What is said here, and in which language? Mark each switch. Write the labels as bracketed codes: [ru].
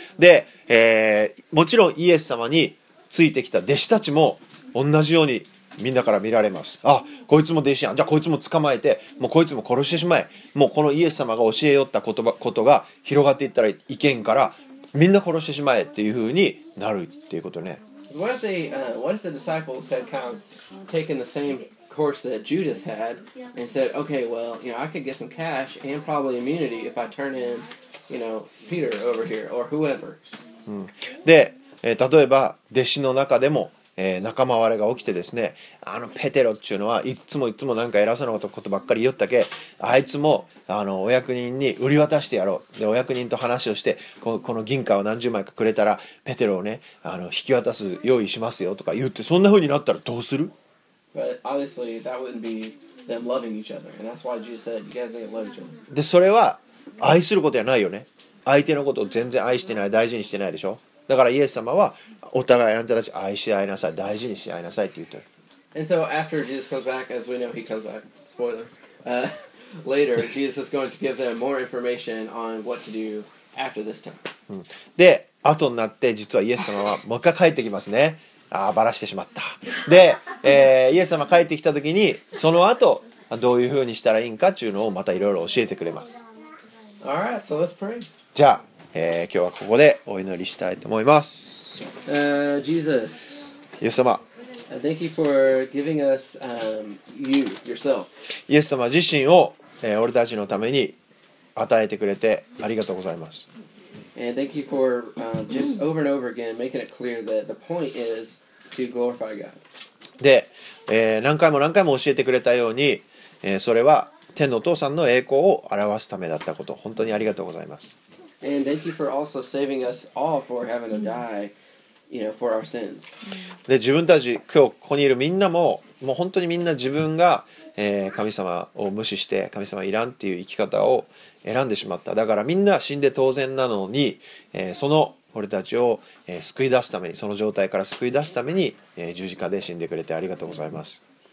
[ja] で、もちろんイエス様についてきた弟子たちも同じようにみんなから見られます。あ、こいつも弟子やん、じゃあこいつも捕まえて、もうこいつも殺してしまえ、もうこのイエス様が教えよったことが広がっていったらいけんから、みんな殺してしまえっていう風になるっていうことね。 [en] What if the disciples had kind of taken the same course that Judas had and said, okay, well, you know, I could get some cash and probably immunity if I turn in, you know, Peter over here or whoever、 [ja] うん、で、例えば弟子の中でも仲間割れが起きてですね、あのペテロっていうのはいつもいつもなんか偉そうなことばっかり言ったけ、あいつもあのお役人に売り渡してやろう、でお役人と話をして、この銀貨を何十枚かくれたらペテロをね、あの引き渡す用意しますよとか言って、そんな風になったらどうする？ [en] But obviously, that wouldn't be them loving each other. And that's why Jesus said, you guys ain't love each other. [ja] で、それは愛することやないよね。相手のことを全然愛してない、大事にしてないでしょ。だからイエス様はお互いあんたたち愛し合いなさい、大事にし合いなさいって言ってる。 [en] And so after Jesus comes back, as we know he comes back, spoiler, later, Jesus is going to give them more information on what to do after this time. [ja] で、後になって実はイエス様はもう一回帰ってきますね。ああ、バラしてしまった。で、イエス様帰ってきた時に、その後、どういうふうにしたらいいんかっていうのをまたいろいろ教えてくれます。 [en] All right, so let's pray. [ja] じゃあ、今日はここでお祈りしたいと思います。 [en] Jesus. [ja] イエス様。 [en] Thank you for giving us, you, yourself. [ja] イエス様自身を、俺たちのために与えてくれてありがとうございます。 [en] And thank you for, just over and over again making it clear that the point is to glorify God. [ja] で、何回も何回も教えてくれたように、それは天のお父さんの栄光を表すためだったこと、本当にありがとうございます。 [en] And thank you for also saving us all for having to die, you know, for our sins. [ja] で、自分たち今日ここにいるみんなも、もう本当にみんな自分が、神様を無視して神様いらんっていう生き方を選んでしまった。だからみんな死んで当然なのに、その俺たちを、救い出すために、その状態から救い出すために、十字架で死んでくれてありがとうございます。